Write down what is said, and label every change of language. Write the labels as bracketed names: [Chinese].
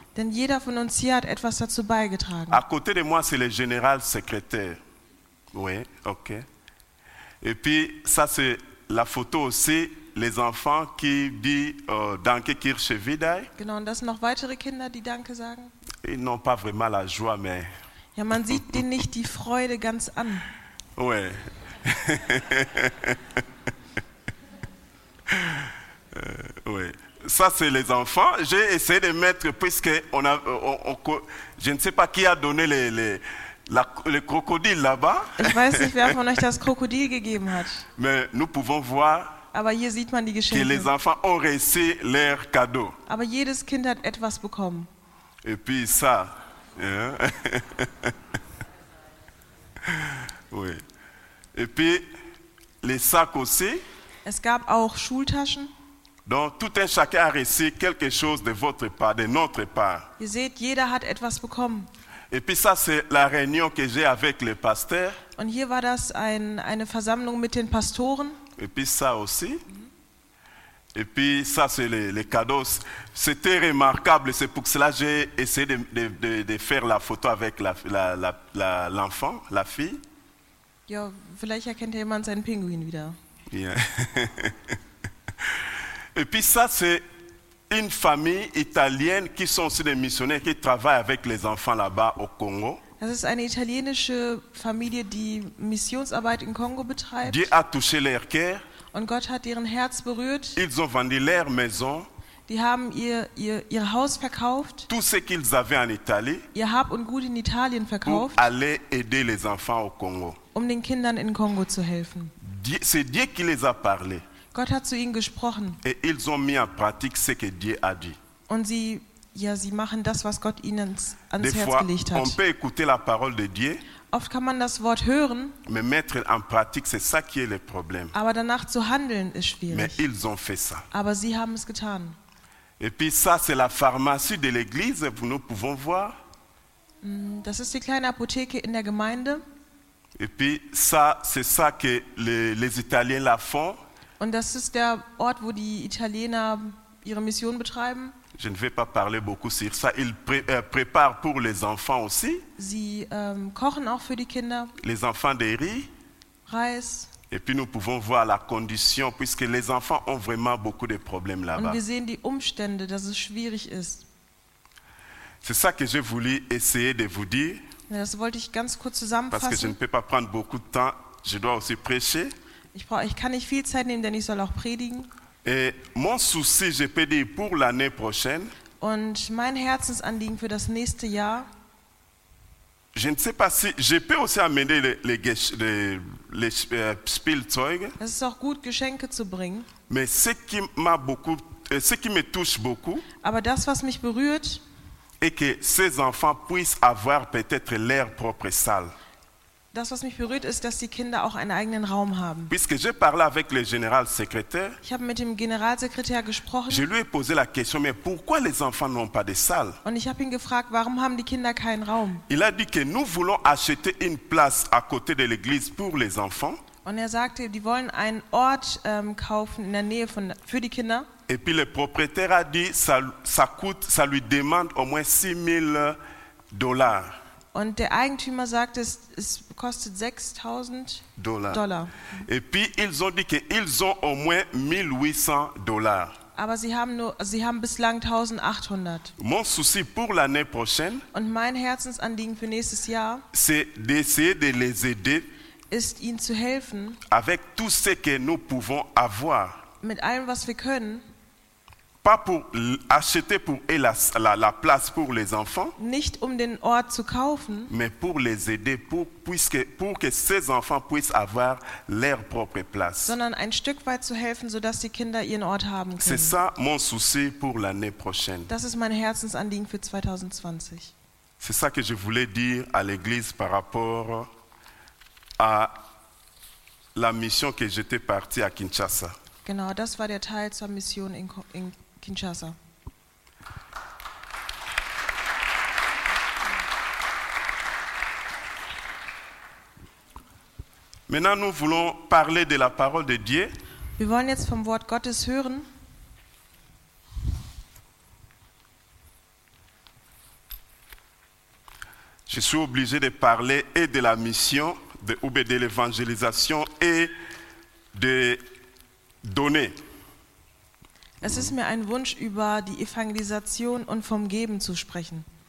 [German] Denn jeder von uns hier hat etwas dazu beigetragen. [French] À côté de moi, c'est le général secrétaire. Oui, ok. Et puis, ça c'est la photo aussi, les enfants qui disent [German] danke Kirche Wiedai. Genau, und das sind noch weitere Kinder, die Danke sagen. [French] Ils n'ont pas vraiment la joie, mais... [German] Ja, man sieht denen nicht die Freude ganz an. [French] Oui. Oui. Ça, c'est les enfants. J'ai essayé de mettre, puisque je ne sais pas qui a donné les crocodiles là-bas. [German] Ich weiß nicht, wer von euch das Krokodil gegeben hat. [French] Mais nous pouvons voir [German] Aber hier sieht man die Geschenke. [French] Que les enfants ont reçu leur cadeau. [German] Aber jedes Kind hat etwas bekommen. [French] Et puis ça. Oui. Et puis les sacs aussi. [German] Es gab auch Schultaschen. [French] Donc tout un chacun a reçu quelque chose de votre part, de notre part. [German] Ihr seht, jeder hat etwas bekommen. [French] Et puis ça, c'est la réunion que j'ai avec le pasteur. [German] Und hier war das eine Versammlung mit den Pastoren. [French] Et puis ça aussi. Et puis ça, c'est les cadeaux. C'était remarquable. C'est pour cela que j'ai essayé de faire la photo avec l'enfant, la fille. [German] Ja, vielleicht erkennt jemand seinen Pinguin wieder. [English] Yeah. [French] Et puis ça, c'est une famille italienne qui sont aussi des missionnaires qui travaillent avec les enfants là-bas au Congo. [German] Das ist eine italienische Familie, die Missionsarbeit in Kongo betreibt. [French] Dieu a touché leur cœur. [German] Und Gott hat ihren Herz berührt. [French] Ils ont vendu leur maison. [German] Die haben ihr Haus verkauft. [French] Tout ce qu'ils avaient en Italie. [German] Ihr Hab und Gut in Italien verkauft. [French] Pour aller aider les enfants au Congo. [German] Um den Kindern in Kongo zu helfen. [French] C'est Dieu qui les a parlé. [German] Gott hat zu ihnen gesprochen. [French] Et ils ont mis en pratique ce que Dieu a dit. [German] Und sie machen das, was Gott ihnen ans [French] Des [German] Herz [French] fois, [German] gelegt hat. [French] On peut écouter la parole de Dieu, [German] Oft kann man das Wort hören, [French] mais mettre en pratique, c'est ça qui est le problème. [German] Aber danach zu handeln ist schwierig. [French] Mais ils ont fait ça. [German] Aber sie haben es getan. [French] Et puis ça, c'est la pharmacie de l'église, nous pouvons voir. [German] Das ist die kleine Apotheke in der Gemeinde. [French] Et puis ça, c'est ça que les Italiens la font. [German] Und das ist der Ort, wo die Italiener ihre Mission betreiben. [French] Je ne vais pas parler beaucoup sur ça. Ils préparent pour les enfants aussi. [German] Sie kochen auch für die Kinder. [French] Les enfants des riz. [German] Reis. [French] Et puis nous pouvons voir la condition, puisque les enfants ont vraiment beaucoup de problèmes là-bas. [German] Und wir sehen die Umstände, dass es schwierig ist. [French] C'est ça que j'ai voulu essayer de vous dire. [German] Das wollte ich ganz kurz zusammenfassen. [French] Parce que je ne peux pas prendre beaucoup de temps. Je dois aussi prêcher. [German] Ich kann nicht viel Zeit nehmen, denn ich soll auch predigen. [French] Et mon souci, je peux dire, pour l'année prochaine. [German] Und mein Herzensanliegen für das nächste Jahr. [French] Je ne sais pas si je peux aussi amener les Spielzeuge. [German] Es ist auch gut, Geschenke zu bringen. [French] Mais ce qui me touche beaucoup. [German] Aber das, was mich berührt. [French] Et que ces enfants puissent avoir peut-être leur propre salle. [German] Das, was mich berührt, ist, dass die Kinder auch einen eigenen Raum haben. [French] Puisque j'ai parlé avec le général secrétaire. [German] Ich habe mit dem Generalsekretär gesprochen. [French] Je lui ai posé la question, mais pourquoi les enfants n'ont pas de salle? [German] Und ich habe ihn gefragt, warum haben die Kinder keinen Raum? [French] Il a dit que nous voulons acheter une place à côté de l'église pour les enfants. [German] Und er sagte, die wollen einen Ort kaufen in der Nähe für die Kinder. [French] Et puis le propriétaire a dit, ça lui demande au moins 6 000 $. [German] Und der Eigentümer sagt, es kostet 6.000 $. [French] Et puis ils ont dit que ils ont au moins 1.800 $. [German] Aber sie haben bislang 1.800. [French] Mon souci pour l'année prochaine. [German] Und mein Herzensanliegen für nächstes Jahr. [French] C'est d'essayer de les aider. [German] Ist ihnen zu helfen. [French] Avec tout ce que nous pouvons avoir. [German] Mit allem, was wir können. [French] Pas pour acheter pour la place pour les enfants, [German] nicht um den Ort zu kaufen, [French] mais pour les aider pour que ces enfants puissent avoir leur propre place. [German] Sondern ein Stück weit zu helfen, sodass die Kinder ihren Ort haben können. [French] C'est ça mon souci pour l'année prochaine. [German] Das ist mein Herzensanliegen für 2020. [French] C'est ça que je voulais dire à l'église par rapport à la mission que j'étais parti à Kinshasa. [German] Genau, das war der Teil zur Mission in Kinshasa. [French] Maintenant, nous voulons parler de la parole de Dieu. [German] Wir wollen jetzt vom Wort Gottes hören. [French] Je suis obligé de parler et de la mission, de l'évangélisation et de Donner. [German] Es ist mir ein Wunsch, über die Evangelisation und vom Geben zu sprechen.